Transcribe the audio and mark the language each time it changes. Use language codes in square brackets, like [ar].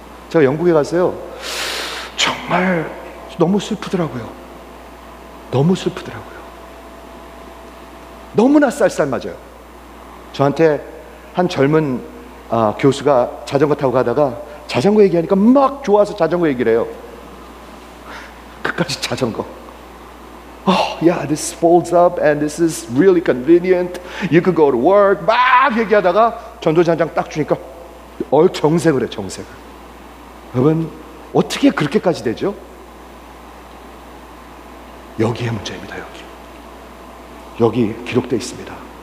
[ko] 제가 영국에 가서요, 정말 너무 슬프더라고요. 너무 슬프더라고요. 너무나 쌀쌀맞아요. 저한테 한 젊은 교수가 자전거 타고 가다가 자전거 얘기하니까 막 좋아서 자전거 얘기를 해요. 끝까지 자전거. [en] Oh, yeah, this folds up and this is really convenient. You could go to work. [ko] 막 얘기하다가 전도자 한 장 딱 주니까 정색을 해, 정색을. 여러분, 어떻게 그렇게까지 되죠? 여기에 문제입니다, 여기. 여기 기록되어 있습니다.